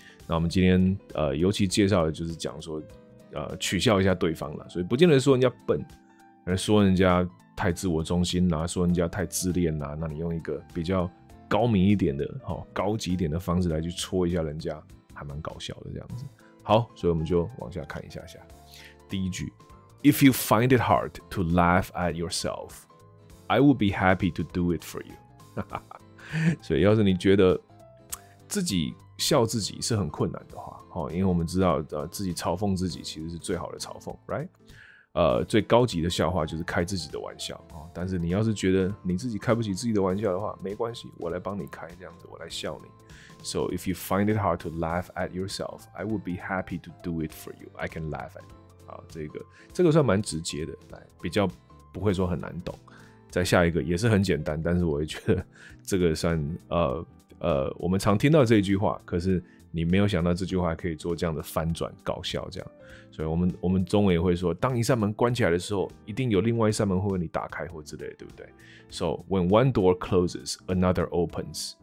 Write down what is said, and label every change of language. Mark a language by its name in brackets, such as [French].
[Chinese] 那我们今天尤其介绍的就是讲说取笑一下对方啦，所以不见得说人家笨，而说人家太自我中心啦，说人家太自恋啦，那你用一个比较高明一点的高级一点的方式来去戳一下人家，还蛮搞笑的这样子。好，所以我们就往下看一下下。第一句 [English] ，If you find it hard to laugh at yourself, I would be happy to do it for you 。 [Chinese] 所以，要是你觉得自己笑自己是很困难的话，因为我们知道，自己嘲讽自己其实是最好的嘲讽 ，right？最高级的笑话就是开自己的玩笑，但是你要是觉得你自己开不起自己的玩笑的话，没关系，我来帮你开，这样子，我来笑你。 [English] So if you find it hard to laugh at yourself, I would be happy to do it for you. I can laugh at you. [Chinese] 好，这个算蛮直接的，比较不会说很难懂。再下一个也是很简单，但是我也觉得这个算我们常听到这一句话，可是你没有想到这句话可以做这样的翻转，搞笑这样。所以我们中文也会说，当一扇门关起来的时候，一定有另外一扇门会为你打开或之类的，对不对 ？ [English] So when one door closes, another opens.